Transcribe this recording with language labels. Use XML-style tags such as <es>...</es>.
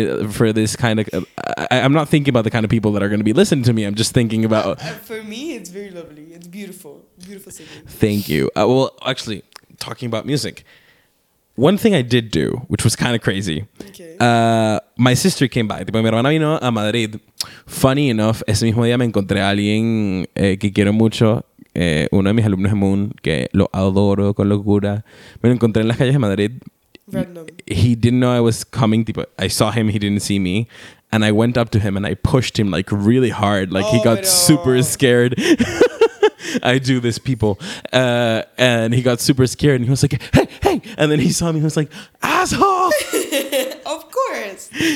<en>For this kind of I'm not thinking about the kind of people that are going to be listening to me. I'm just thinking about for me it's very lovely, it's beautiful singing. Thank you. Well, actually, talking about music, one thing I did do, which was kind of crazy. Okay. My sister came by.</en> <es>Mi hermana vino a Madrid.</es> <en>Funny enough,</en> <es>ese mismo día me encontré a alguien que quiero mucho. Uno de mis alumnos de Moon, que lo adoro con locura. Me lo encontré en las calles de Madrid.</es> <en>Random. He didn't know I was coming. Tipo, I saw him. He didn't see me. And I went up to him and I pushed him like really hard. Like he got super scared. I do this, people. And he got super scared and he was like, hey. And then he saw me and was like, asshole. Of course.</en>